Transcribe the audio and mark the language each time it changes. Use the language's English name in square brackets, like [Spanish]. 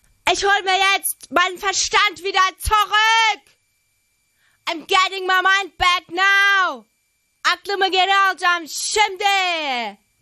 [German] Ich hol mir jetzt meinen Verstand wieder zurück. [English] I'm getting my mind back now. [Turkish] Aklım geri alacağım şimdi.